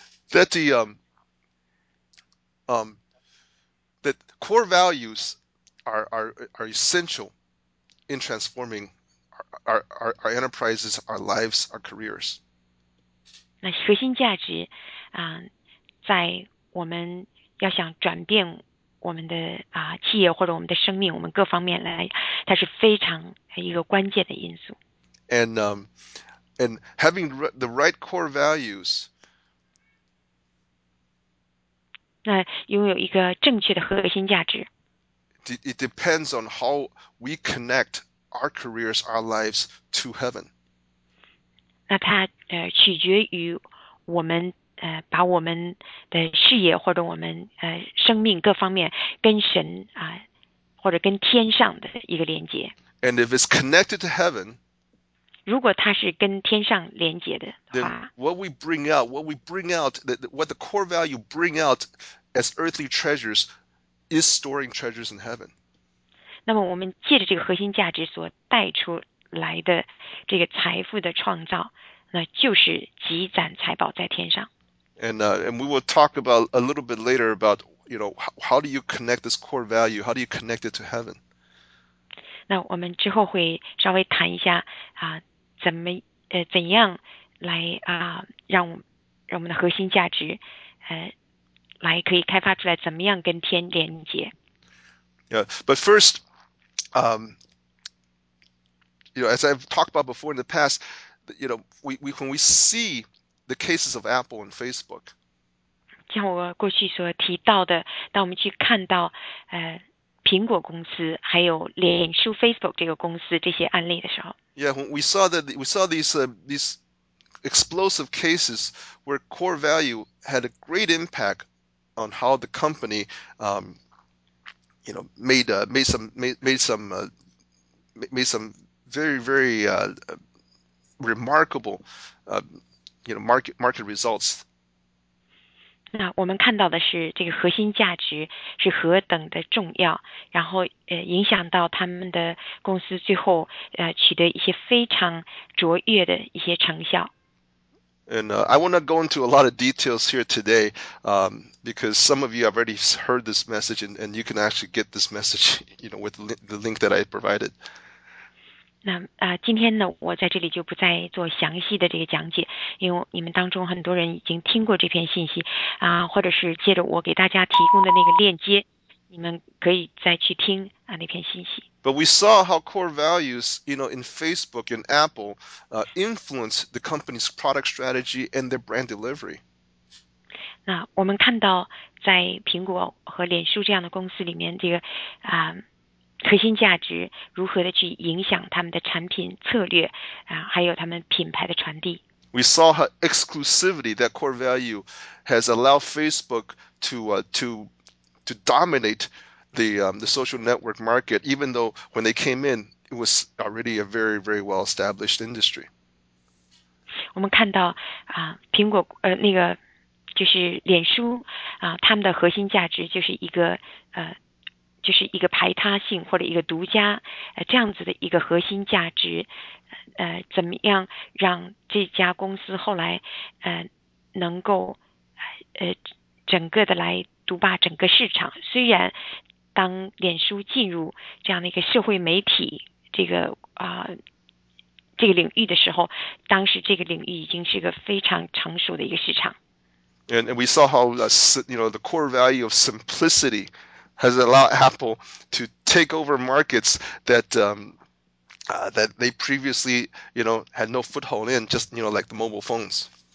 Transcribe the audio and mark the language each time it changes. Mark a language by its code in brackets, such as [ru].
[en] That the that core values are essential in transforming our enterprises, our lives, our careers. [zh] 那核心价值，在我们要想转变我们的企业或者我们的生命，我们各方面来，它是非常一个关键的因素。 [en] And having the right core values. [zh] 那拥有一个正确的核心价值。 [en] It depends on how we connect our careers, our lives to heaven. [zh] 那它取决于我们把我们的事业或者我们生命各方面跟神或者跟天上的一个连接。 [en] And if it's connected to heaven, [zh] 如果它是跟天上连接的 [en] then [zh] 话。 [en] what we bring out, what the core value bring out as earthly treasures is storing treasures in heaven. [zh] 那么我们借着这个核心价值所带出来的这个财富的创造，那就是积攒财宝在天上。 [en] And we will talk about a little bit later about, how do you connect this core value? How do you connect it to heaven? [zh] 那我们之后会稍微谈一下怎样来让我们的核心价值来可以开发出来，怎么样跟天连接。 [en] But first, as I've talked about before in the past, we when we see the cases of Apple and Facebook, [zh] 像我过去所提到的，当我们去看到苹果公司还有脸书 Facebook 这个公司这些案例的时候， [en] when we saw that we saw these explosive cases where core value had a great impact on how the company made some very, very remarkable market results. [zh] 那我们看到的是这个核心价值是何等的重要，然后影响到他们的公司最后取得一些非常卓越的一些成效。 [en] And I want to go into a lot of details here today, because some of you have already heard this message, and you can actually get this message, with the link that I provided. [zh] 那今天呢，我在这里就不再做详细的这个讲解，因为你们当中很多人已经听过这篇信息或者是借着我给大家提供的那个链接，你们可以再去听那篇信息。 [en] But we saw how core values, in Facebook and Apple, influence the company's product strategy and their brand delivery. [zh] 那我们看到，在苹果和脸书这样的公司里面，这个核心价值如何的去影响他们的产品策略还有他们品牌的传递。 [en] We saw how exclusivity, that core value, has allowed Facebook to dominate the social network market, even though when they came in, it was already a very, very well-established industry. [zh] 我们看到苹果那个就是脸书他们的核心价值就是一个就是一个排他性或者一个独家这样子的一个核心价值，怎么样让这家公司后来能够整个的来独霸整个市场？虽然当脸书进入这样的一个社会媒体这个领域的时候，当时这个领域已经是个非常成熟的一个市场。 [en] And we saw how the core value of simplicity has allowed Apple to take over markets that they previously had no foothold in, just like the mobile phones.